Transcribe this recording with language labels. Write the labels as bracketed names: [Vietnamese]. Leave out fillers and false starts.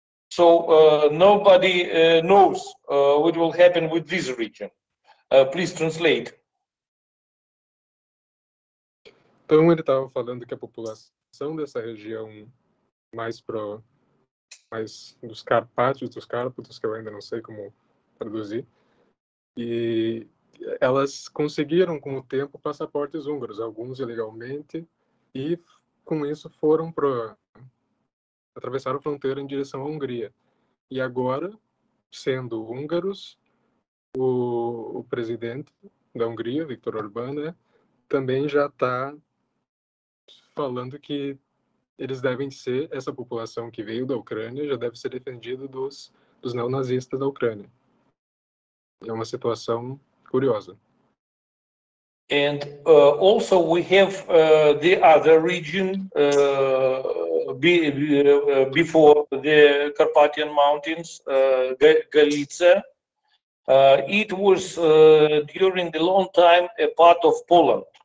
[English] So nobody knows what will happen with this region. Please translate. [Portuguese] Então ele estava falando que a população dessa região mais dos Carpátios, dos Cárpatos, que eu ainda não sei como traduzir, e elas conseguiram com o tempo passaportes húngaros, alguns ilegalmente, e com isso foram atravessaram a fronteira em direção à Hungria. E agora, sendo húngaros, o presidente da Hungria, Viktor Orbán, né, também já está falando que eles devem ser, essa população que veio da Ucrânia, já deve ser defendida dos neonazistas da Ucrânia. É uma situação curiosa. [English] And also we have the other region before the Carpathian Mountains, Galicia. It was during the long time a part of Poland.